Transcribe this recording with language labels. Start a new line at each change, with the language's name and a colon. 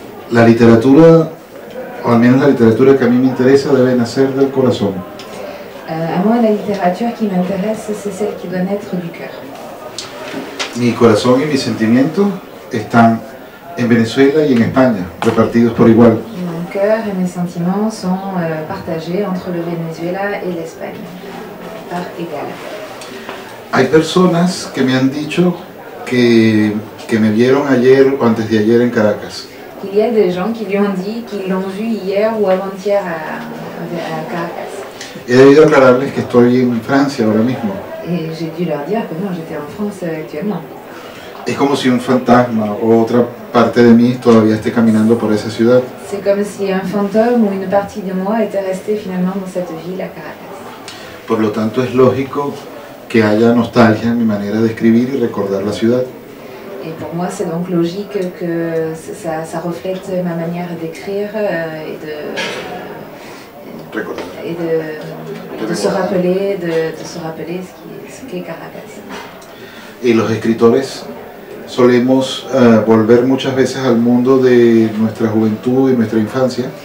Spanish: La literatura, o al menos la literatura que a mí me interesa, debe nacer del corazón. A mí la literatura que me interesa es la que debe nacer del corazón. Mi corazón y mis sentimientos están en Venezuela y en España, repartidos por igual.
French: Et mes sentiments sont partagés entre le Venezuela et l'Espagne, par égal.
Spanish: Hay personas que me han dicho que me vieron ayer o antes de ayer en Caracas.
French: Il y a des gens qui lui ont dit qu'ils l'ont vu hier ou avant-hier à Caracas.
Spanish: He debido aclararles que estoy en Francia ahora mismo.
French: Et j'ai dû leur dire que non, j'étais en France actuellement.
Spanish: Es como si un fantasma o otra parte de mí todavía esté caminando por esa ciudad.
French: C'est comme si un fantôme ou une partie de moi était restée finalement dans cette ville à Caracas.
Spanish: Por lo tanto, es lógico que haya nostalgia en mi manera de escribir y recordar la ciudad.
French: Et pour moi, c'est donc logique que ça reflète ma manière d'écrire et de se rappeler ce qu'est Caracas.
Spanish: Et los escritores solemos volver muchas veces al mundo de nuestra juventud y nuestra infancia.